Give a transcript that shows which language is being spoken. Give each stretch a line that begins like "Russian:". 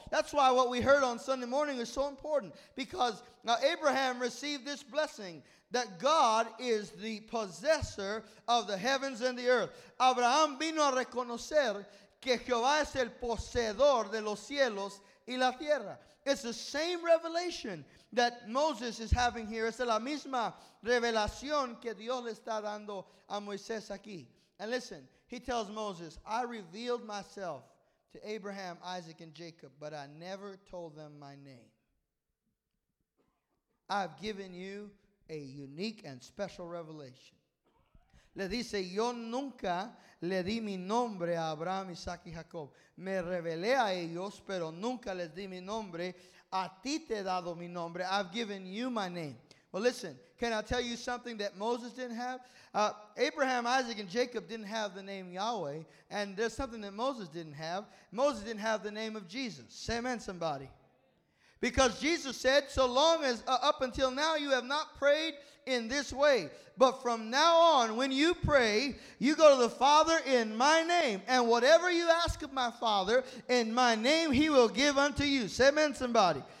English: That's why what we heard on Sunday morning is so important. Because now Abraham received this blessing that God is the possessor of the heavens and the earth.
Spanish: Abraham vino a reconocer que Jehová es el poseedor de los cielos y la tierra.
English: It's the same revelation that Moses is having here.
Spanish: Es la misma revelación que Dios le está dando a Moisés aquí.
English: And listen. He tells Moses, I revealed myself to Abraham, Isaac, and Jacob, but I never told them my name. I've given you a unique and special revelation.
Spanish: Le dice, yo nunca le di mi nombre a Abraham, Isaac, y Jacob. Me revelé a ellos, pero nunca les di mi nombre. A ti te he dado mi nombre.
English: I've given you my name. Well, listen, can I tell you something that Moses didn't have? Abraham, Isaac, and Jacob didn't have the name Yahweh, and there's something that Moses didn't have. Moses didn't have the name of Jesus. Say amen, somebody. Because Jesus said, so long as up until now you have not prayed in this way, but from now on when you pray, you go to the Father in my name, and whatever you ask of my Father in my name, he will give unto you. Say amen, somebody.